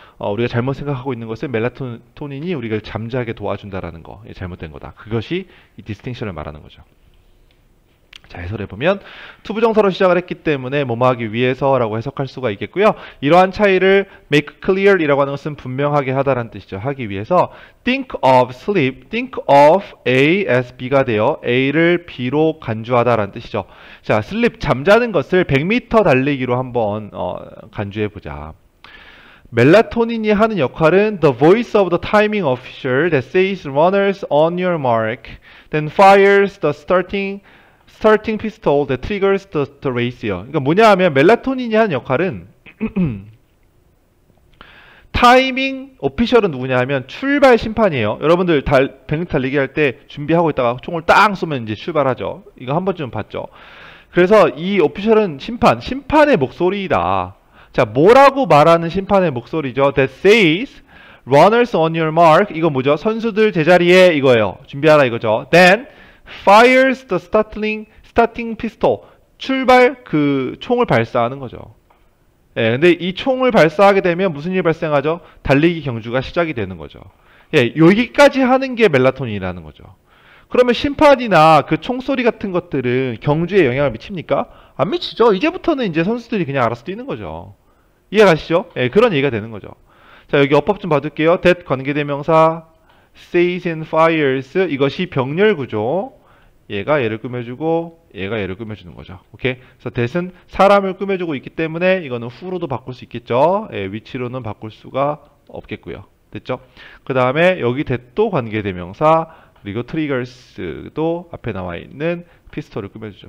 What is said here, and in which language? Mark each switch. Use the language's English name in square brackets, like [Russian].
[Korean] 우리가 잘못 생각하고 있는 것은 멜라토닌이 우리를 잠자게 도와준다라는 거, 잘못된 거다. 그것이 이 디스팅션을 말하는 거죠. 자, 해설해 보면 to 부정사로 시작을 했기 때문에 뭐뭐 하기 위해서라고 해석할 수가 있겠고요. 이러한 차이를 make clear이라고 하는 것은 분명하게 하다라는 뜻이죠. 하기 위해서 [English] think of sleep, think of A as B [Korean] 가 되어 A를 B로 간주하다라는 뜻이죠. 자, sleep 잠자는 것을 100m 달리기로 한번 간주해 보자. 멜라토닌이 하는 역할은 [English] the voice of the timing official that says runners on your mark, then fires the starting Starting pistol that triggers the race요. [Korean] 그러니까 뭐냐 하면 멜라토닌이 하는 역할은 타이밍 오피셜은 누구냐 하면 출발 심판이에요. 여러분들 100m 달리기 할때 준비하고 있다가 총을 땅 쏘면 이제 출발하죠. 이거 한 번쯤 봤죠. 그래서 이 오피셜은 심판의 목소리이다. 자, 뭐라고 말하는 심판의 목소리죠? [English] That says, runners on your mark. [Korean] 이거 뭐죠? 선수들 제자리에 이거예요. 준비하라 이거죠. [English] Then fires the starting pistol. [Korean] 출발 그 총을 발사하는 거죠. 예, 근데 이 총을 발사하게 되면 무슨 일이 발생하죠? 달리기 경주가 시작이 되는 거죠. 예, 여기까지 하는 게 멜라토닌이라는 거죠. 그러면 심판이나 그 총소리 같은 것들은 경주에 영향을 미칩니까? 안 미치죠. 이제부터는 이제 선수들이 그냥 알아서 뛰는 거죠. 이해가시죠? 예, 그런 얘기가 되는 거죠. 자, 여기 어법 좀 봐둘게요. [English] That 관계대명사, says and fires. [Korean] 이것이 병렬 구조. 얘가 얘를 꾸며주고, 얘가 얘를 꾸며주는 거죠. 오케이? 그래서 that은 사람을 꾸며주고 있기 때문에 이거는 후로도 바꿀 수 있겠죠? 예, 위치로는 바꿀 수가 없겠고요. 됐죠? 그 다음에 여기 that도 관계대명사, 그리고 triggers도 앞에 나와 있는 피스톨을 꾸며주죠.